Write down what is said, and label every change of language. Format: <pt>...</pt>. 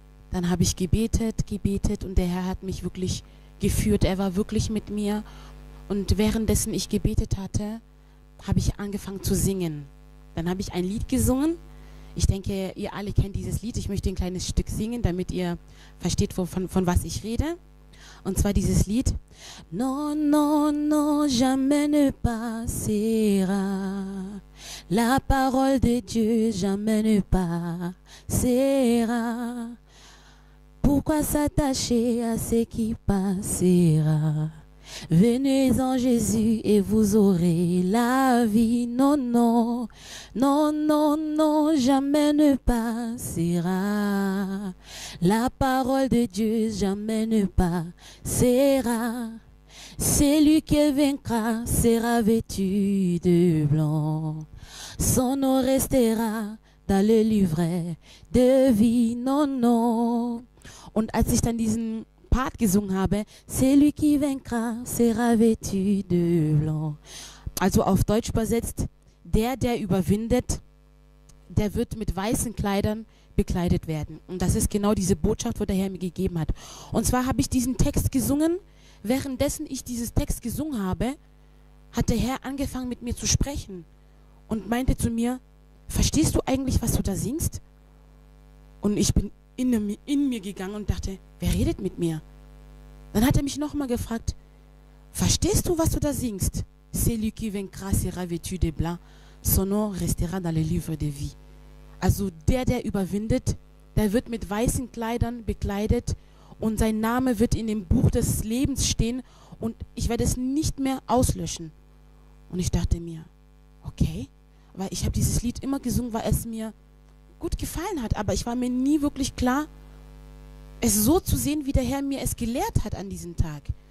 <de>Dann habe ich gebetet und der Herr hat mich wirklich geführt. Er war wirklich mit mir. Und währenddessen ich gebetet hatte, habe ich angefangen zu singen. Dann habe ich ein Lied gesungen. Ich denke, ihr alle kennt dieses Lied. Ich möchte ein kleines Stück singen, damit ihr versteht, von was ich rede. Und zwar dieses Lied.</de> <fr>Non, non, non, jamais ne passera. La parole de Dieu, jamais ne passera. Pourquoi s'attacher à ce qui passera? Venez en Jésus et vous aurez la vie. Non, non, non, non, non, jamais ne passera. La parole de Dieu jamais ne passera. Celui qui vaincra sera vêtu de blanc. Son nom restera dans le livret de vie. Non, non.</fr> <de>Und als ich dann diesen Part gesungen habe,</de> <fr>celui qui vaincra sera vêtu de blanc.</fr> <de>Also auf Deutsch übersetzt, der, der überwindet, der wird mit weißen Kleidern bekleidet werden. Und das ist genau diese Botschaft, wo der Herr mir gegeben hat. Und zwar habe ich diesen Text gesungen. Währenddessen ich diesen Text gesungen habe, hat der Herr angefangen mit mir zu sprechen und meinte zu mir, verstehst du eigentlich, was du da singst? Und ich bin in mir gegangen und dachte, wer redet mit mir? Dann hat er mich nochmal gefragt, verstehst du, was du da singst?</de> <fr>C'est lui qui vaincra sera vêtu de blanc, son nom restera dans le livre de vie.</fr> <de>Also der, der überwindet, der wird mit weißen Kleidern bekleidet und sein Name wird in dem Buch des Lebens stehen und ich werde es nicht mehr auslöschen. Und ich dachte mir, okay, weil ich habe dieses Lied immer gesungen, weil es mir gut gefallen hat, aber ich war mir nie wirklich klar, es so zu sehen, wie der Herr mir es gelehrt hat an diesem Tag.</de>